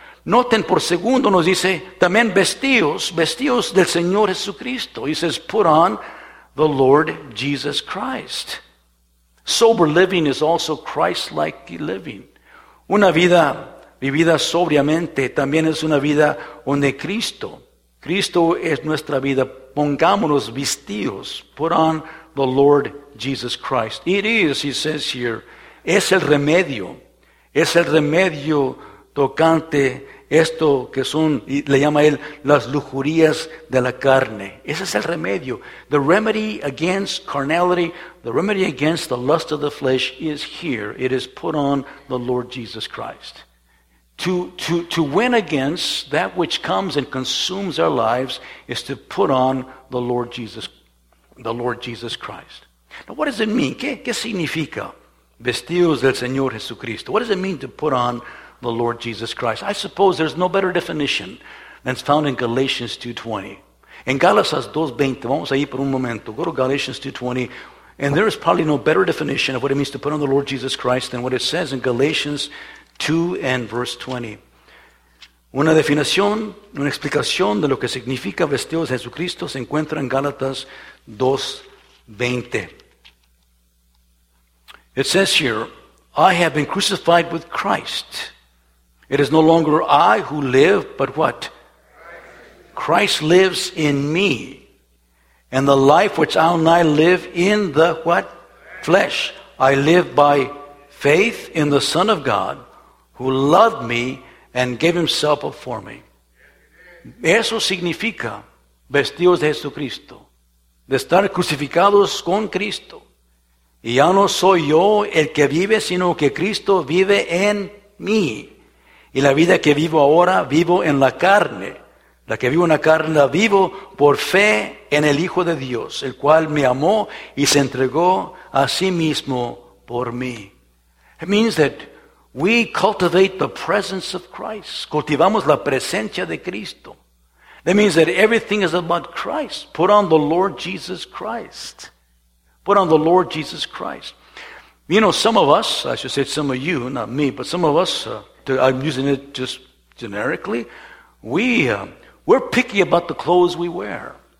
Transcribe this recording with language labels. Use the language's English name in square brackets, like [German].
[Spanish] Noten por segundo, nos dice también vestidos del Señor Jesucristo. [English] He says, put on the Lord Jesus Christ. Sober living is also Christ-like living. [Spanish] Una vida vivida sobriamente también es una vida donde Cristo es nuestra vida. Pongámonos vestidos. [English] Put on the Lord Jesus Christ. It is, he says here, [Spanish] es el remedio. Es el remedio tocante esto que son, le llama él, las lujurías de la carne. Ese es el remedio. [English] The remedy against carnality, the remedy against the lust of the flesh is here. It is put on the Lord Jesus Christ. To win against that which comes and consumes our lives is to put on the Lord Jesus Christ. Now, what does it mean? [Spanish] ¿Qué significa vestidos del Señor Jesucristo? [English] What does it mean to put on the Lord Jesus Christ? I suppose there's no better definition than it's found in Galatians 2:20. [Spanish] En Gálatas 2:20, vamos a ir por un momento. [English] Go to Galatians 2:20. And there is probably no better definition of what it means to put on the Lord Jesus Christ than what it says in Galatians 2 and verse 20. [Spanish] Una definición, una explicación de lo que significa vestidos de Jesucristo se encuentra en Gálatas 2:20. [English] It says here, I have been crucified with Christ. It is no longer I who live, but what? Christ lives in me. And the life which I now live in the what? Flesh. I live by faith in the Son of God, who loved me and gave himself up for me. [Spanish] Eso significa vestidos de Jesucristo. De estar crucificados con Cristo. Y ya no soy yo el que vive, sino que Cristo vive en mí. Y la vida que vivo ahora, vivo en la carne. La que vivo en la carne, la vivo por fe en el Hijo de Dios, el cual me amó y se entregó a sí mismo por mí. [English] It means that we cultivate the presence of Christ. [Spanish] Cultivamos la presencia de Cristo. [English] That means that everything is about Christ. Put on the Lord Jesus Christ. Put on the Lord Jesus Christ. You know, some of us, I should say some of you, not me, but some of us, I'm using it just generically, we're picky about the clothes we wear.